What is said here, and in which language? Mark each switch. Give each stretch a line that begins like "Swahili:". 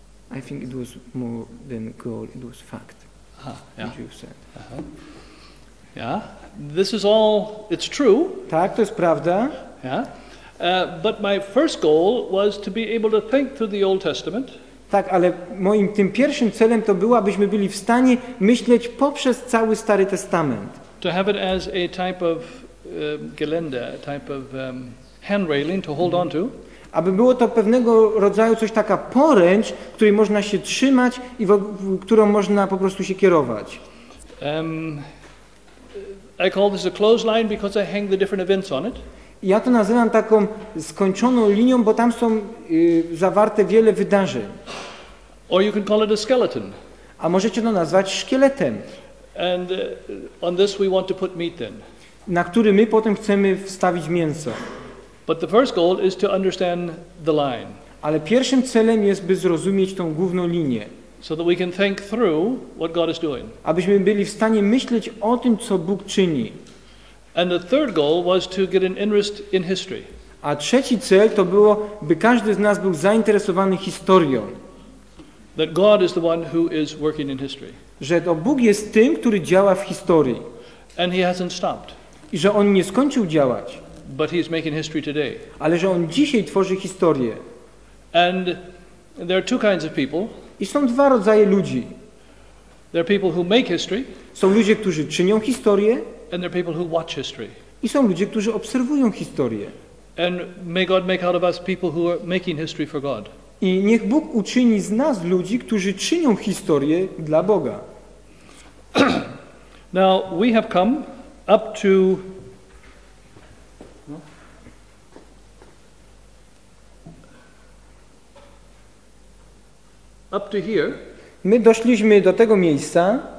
English: I think it was more than goal, it was fact, yeah. What you said. Uh-huh. Yeah, this is all, it's true.
Polish: Tak, to jest prawda.
English: Yeah. But my first goal was to be able to think through the Old Testament.
Polish: Tak, ale moim tym pierwszym celem to było, abyśmy byli w stanie myśleć poprzez cały Stary Testament.
English: To have it as a type of gelinda, a type of hand railing to hold on to.
Polish: Aby było to pewnego rodzaju coś taka poręcz, której można się trzymać i którą można po prostu się kierować.
English: I call this a clothesline because I hang the different events on it.
Polish: Ja to nazywam taką skończoną linią, bo tam są zawarte wiele wydarzeń.
English: Or you can call it a skeleton.
Polish: A możecie to nazwać szkieletem.
English: And on this we want to put meat then.
Polish: Na który my potem chcemy wstawić mięso.
English: But the first goal is to understand the line.
Polish: Ale pierwszym celem jest, by zrozumieć tą główną linię.
English: So that we can think through what God is doing.
Polish: Abyśmy byli w stanie myśleć o tym, co Bóg czyni.
English: And the third goal was to get an interest in history.
Polish: A trzeci cel to było, by każdy z nas był zainteresowany historią.
English: That God is the one who is working in history.
Polish: Że to Bóg jest tym, który działa w historii.
English: And he hasn't stopped.
Polish: I że on nie skończył działać.
English: But he is making history today.
Polish: Ale że on dzisiaj tworzy historię.
English: And there are two kinds of people.
Polish: I są dwa rodzaje ludzi.
English: There are people who make history.
Polish: Są ludzie, którzy czynią historię.
English: And there are people who watch history.
Polish: I są ludzie, którzy obserwują historię.
English: And may God make out of us people who are making history for God.
Polish: I niech Bóg uczyni z nas ludzi, którzy czynią historię dla Boga.
English: Now we have come up to here.
Polish: My doszliśmy do tego miejsca.